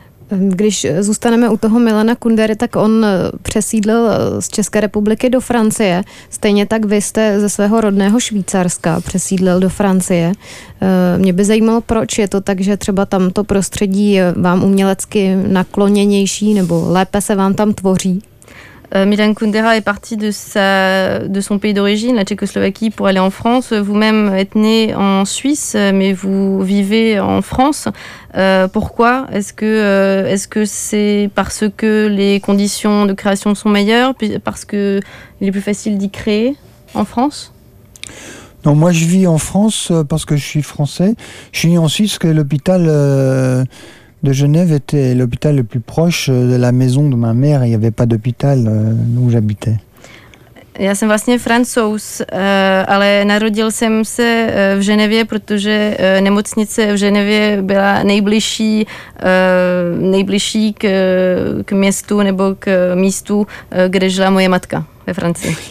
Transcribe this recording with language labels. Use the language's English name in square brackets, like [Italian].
[Czech] Když zůstaneme u toho Milana Kundery, tak on přesídlil z České republiky do Francie. Stejně tak vy jste ze svého rodného Švýcarska přesídlil do Francie. Mě by zajímalo, proč je to tak, že třeba tamto prostředí vám umělecky nakloněnější nebo lépe se vám tam tvoří? [French] Milan Kundera est parti de son pays d'origine, la Tchécoslovaquie, pour aller en France. Vous-même êtes né en Suisse, mais vous vivez en France. Pourquoi ? Est-ce que c'est parce que les conditions de création sont meilleures, parce qu'il est plus facile d'y créer en France ? Non, moi je vis en France parce que je suis français. Je suis né en Suisse parce que l'hôpital de Genève était l'hôpital le plus proche de la maison de ma mère. Il n'y avait pas d'hôpital où j'habitais. [Czech] Já jsem vlastně Francouz, ale narodil jsem se v Ženevě, protože nemocnice v Ženevě byla nejbližší k městu nebo k místu, kde žila moje matka ve Francii.